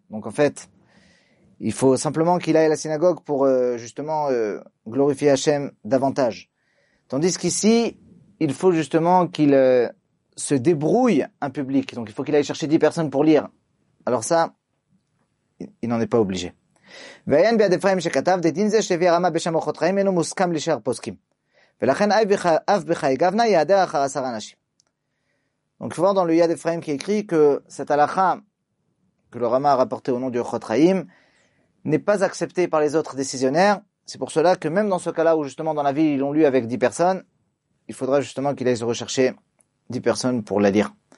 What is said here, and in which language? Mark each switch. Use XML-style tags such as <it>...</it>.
<fr>Donc, en fait, il faut simplement qu'il aille à la synagogue pour, justement, glorifier Hachem davantage. Tandis qu'ici, il faut justement qu'il se débrouille un public. Donc, il faut qu'il aille chercher 10 personnes pour lire. Alors ça, il n'en est pas obligé.</fr> <he>ועיין ביד אפרים שכתב דדין זה שהביא הרמה בשם אורחות חיים אינו מוסכם לשאר פוסקים ולכן אף בחייגבנה יעדר אחר עשר אנשים.</he> <fr>Donc voir dans le Yad Ephraim qui écrit que cette halakha que le Rama a rapporté au nom du Orchot Chaim n'est pas acceptée par les autres décisionnaires, C'est pour cela que même dans ce cas-là où justement dans la ville ils l'ont lu avec 10 personnes, il faudra justement qu'il aille se rechercher 10 personnes pour la lire.</fr>